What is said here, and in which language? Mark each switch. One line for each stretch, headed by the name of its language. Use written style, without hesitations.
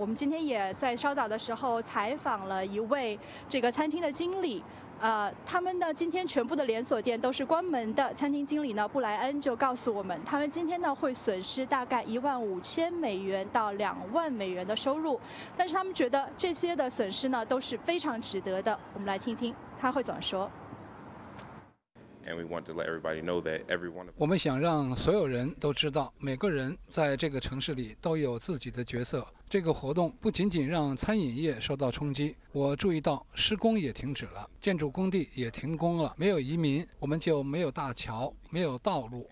Chinese: 我们今天也在稍早的时候采访了一位这个餐厅的经理，他们呢今天全部的连锁店都是关门的。餐厅经理呢布莱恩就告诉我们，他们今天呢会损失大概$15,000到$20,000的收入，但是他们觉得这些的损失呢都是非常值得的。我们来听听他会怎么说。
English: And we want to let everybody know that everyone.
Chinese: 我们想让所有人都知道，每个人在这个城市里都有自己的角色。这个活动不仅仅让餐饮业受到冲击，我注意到施工也停止了，建筑工地也停工了。没有移民，我们就没有大桥，没有道路。